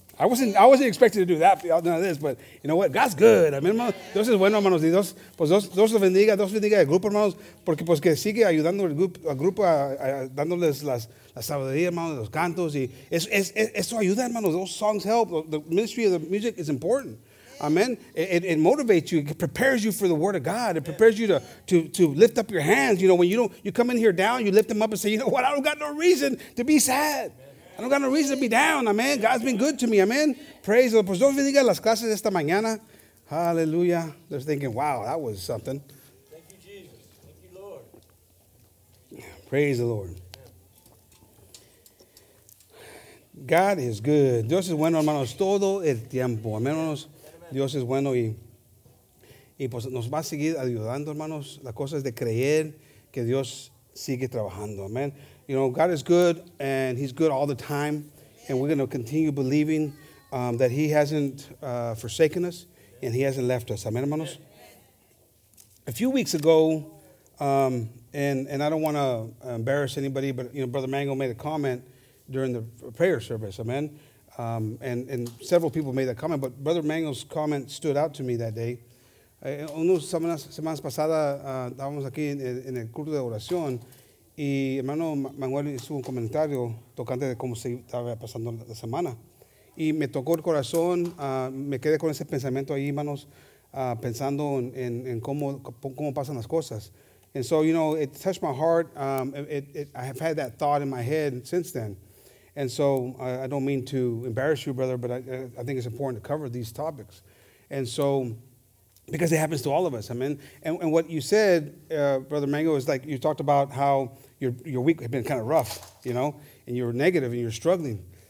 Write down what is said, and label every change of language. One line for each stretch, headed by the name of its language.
English: I wasn't expecting to do that, none of this, but you know what? God's good.
Spanish: Amen. Dios es bueno, hermanos. Dios, pues Dios los bendiga. Dios bendiga el grupo, hermanos, porque pues que sigue ayudando al grupo, dándoles las sabiduría, hermanos, los cantos. Y eso ayuda, hermanos.
English: Those songs help. The ministry of the music is important. Amen. It motivates you. It prepares you for the word of God. It prepares you to lift up your hands. You know, when you come in here down, you lift them up and say, you know what? I don't got no reason to be sad. I don't got no reason to be down, amen. God's been good to me, amen. Praise the Lord.
Spanish: Pues bendiga las clases esta mañana.
English: Hallelujah. They're thinking, wow, that was something. Thank you, Jesus. Thank you, Lord. Praise the Lord. God is good.
Spanish: Dios es bueno, hermanos, todo el tiempo. Amén, hermanos. Dios es bueno y pues nos va a seguir ayudando, hermanos. La cosa es de creer que Dios sigue trabajando, amen.
English: You know, God is good, and he's good all the time, and we're going to continue believing that he hasn't forsaken us, and he hasn't left us. Amen, hermanos? A few weeks ago, and I don't want to embarrass anybody, but, you know, Brother Mango made a comment during the prayer service, amen? And several people made that comment, but Brother Mango's comment stood out to me that day.
Spanish: Unas semanas pasadas estábamos aquí en el culto de oración, y hermano Manuel hizo un comentario tocante de cómo se estaba pasando la semana. Y me tocó el corazón, me quedé con ese pensamiento ahí, hermanos, pensando en cómo pasan las cosas.
English: And so, you know, it touched my heart. I have had that thought in my head since then. And so I don't mean to embarrass you, brother, but I think it's important to cover these topics. And so, because it happens to all of us, amen. And what you said, Brother Mango, is like you talked about how your week had been kind of rough, you know, and you were negative and you were struggling.